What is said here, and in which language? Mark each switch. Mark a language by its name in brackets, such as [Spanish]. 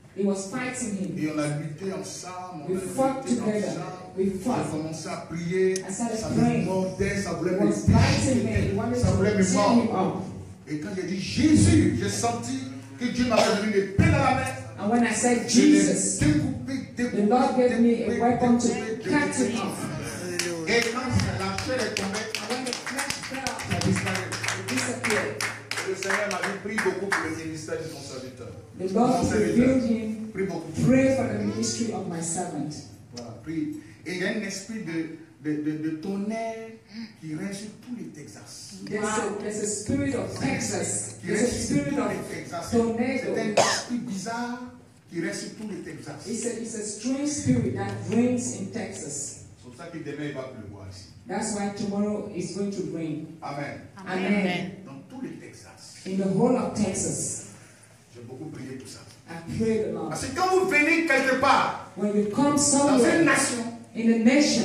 [English] He was fighting him. [French] Et on a lutté ensemble. [English] We fought together. We fought. [French] J'ai commencé à prier. [English] I started praying. [French] Ça me mordait, ça voulait me tuer. Ça voulait me mordre. Et quand j'ai dit Jésus, j'ai senti que Dieu m'avait donné une épée dans la main. [English] And when I said Jesus, [French] découpé, [English] the Lord gave me a weapon to cut him off. [French] Et quand la chair est tombée, ça disparaît. Le Seigneur m'a dit, prie beaucoup pour le ministère de mon serviteur. [English] The Lord revealed him. [French] Prie beaucoup. [English] Pray for the ministry of my servant. [French] Voilà, prie. Et il y a un esprit de tonnerre qui règne sur tous les Texas. [English] There's a spirit of Texas. [French] Qui règne sur tous les Texas. [English] Tornado. [French] C'est un esprit bizarre qui règne sur tous les Texas. [English] It's a strange spirit that reigns in Texas. [French] C'est pour ça que demain il va pleuvoir ici. [English] That's why tomorrow is going to rain. Amen. Amen. Amen. [French] Dans tout le Texas. [English] In the whole of Texas. [French] J'ai beaucoup prié pour ça. [English] I prayed a lot. [French] Parce que quand vous venez quelque part, [English] when you come somewhere, [French] dans une nation, [English] in a nation,